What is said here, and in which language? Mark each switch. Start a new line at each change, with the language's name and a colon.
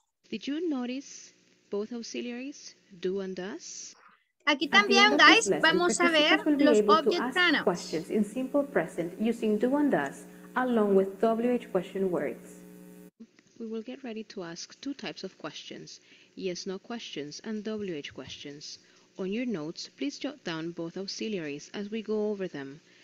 English: Did you notice both auxiliaries, do and does?
Spanish: Aquí también, guys, vamos a ver los object pronouns.
English: Questions in simple present using do and does along with WH question words. We will get ready to ask two types of questions, yes-no questions and WH questions. On your notes, please jot down both auxiliaries as we go over them.